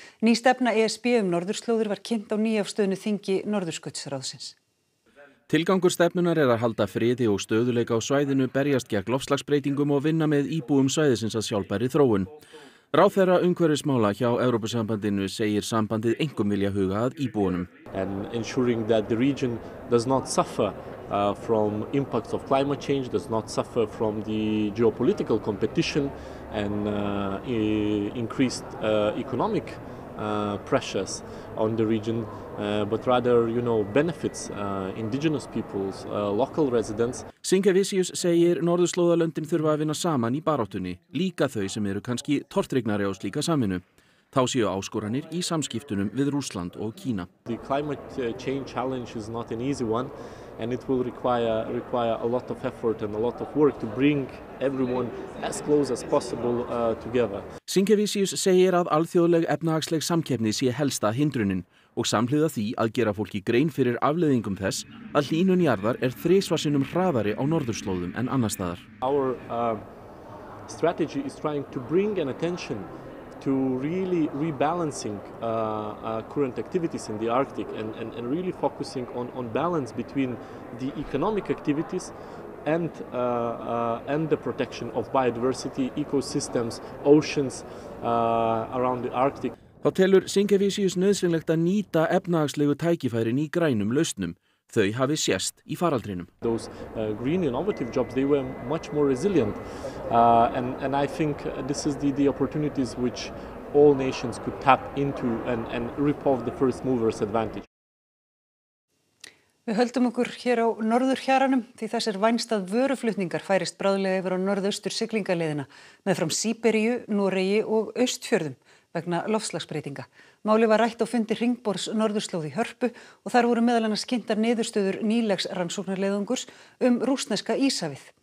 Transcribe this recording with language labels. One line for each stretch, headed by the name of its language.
Icelandic: Ný stefna ESB norðurslóðir var kynnt á nýafstöðnu þingi Norðurskautsráðsins. Tilgangur stefnunar að halda friði og stöðuleika á svæðinu, berjast gegn loftslagsbreytingum og vinna með íbúum svæðisins að sjálfbærri þróun. Ráðherra umhverfismála hjá Evrópusambandinu segir sambandið einkum vilja huga að íbúunum.
English: And ensuring that the region does not suffer from impacts of climate change, does not suffer from the geopolitical competition and increased economic pressures on the region, but rather, you know, benefits indigenous peoples, local residents.
Icelandic: Sinkevicius segir norðurslóðalöndin þurfa að vinna saman í baráttunni, líka þau sem eru kannski tortryggnari á slíka saminu. Þá séu áskoranir í samskiptunum við Rússland og Kína.
English: The climate change challenge is not an easy one and it will require a lot of effort and a lot of work to bring everyone as close as possible together.
Icelandic: Sinkevicius segir að alþjóðleg efnahagsleg samkeppni sé helsta hindrunin og samhliða því að gera fólki grein fyrir afleiðingum þess að hlýnun jarðar þrisvarsinnum hraðari á norðurslóðum en annars staðar.
English: Our strategy is trying to bring an attention to really rebalancing current activities in the Arctic and really focusing on balance between the economic activities and the protection of biodiversity, ecosystems, oceans around the Arctic.
Icelandic: Þá telur Sinkevicius nauðsynlegt að nýta efnahagslegu tækifærin í grænum lausnum. Þau hafi sést í faraldrinum.
English: Those green innovative jobs, they were much more resilient. And I think this is the opportunities which all nations could tap into and rip off the first mover's advantage.
Icelandic: Við höldum okkur hér á norðurhjaranum því þess vænst að vöruflutningar færist bráðlega yfir á norðaustur siglingaleiðina með fram Síberíu, Noregi og Austfjörðum vegna loftslagsbreytinga. Máli var rætt á fundi Hringborðs norðurslóð í Hörpu og þar voru meðal annars kynntar niðurstöður nýlegs rannsóknarleiðungurs rússneska Íshafið.